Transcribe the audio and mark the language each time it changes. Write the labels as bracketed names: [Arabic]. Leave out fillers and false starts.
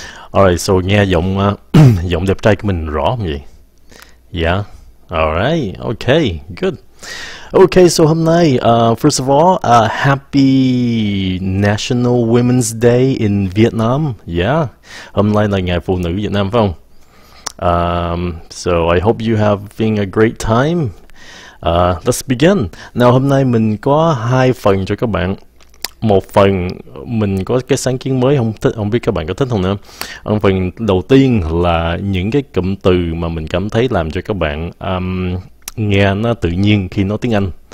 [Vietnamese] Alright, so nghe giọng giọng đẹp trai của mình rõ không vậy? [English] Yeah. Alright, okay, good. Okay, so [Vietnamese] hôm nay, [English] first of all, happy National Women's Day in Vietnam. Yeah. [Vietnamese] Hôm nay là ngày phụ nữ Việt Nam phải không? [English] So I hope you have been a great time. Let's begin. [Vietnamese] Now hôm nay mình có hai phần cho các bạn. Một phần mình có cái sáng kiến mới không thích, không biết các bạn có thích không nữa. Ở phần đầu tiên là những cái cụm từ mà mình cảm thấy làm cho các bạn nghe nó tự nhiên khi nói tiếng Anh.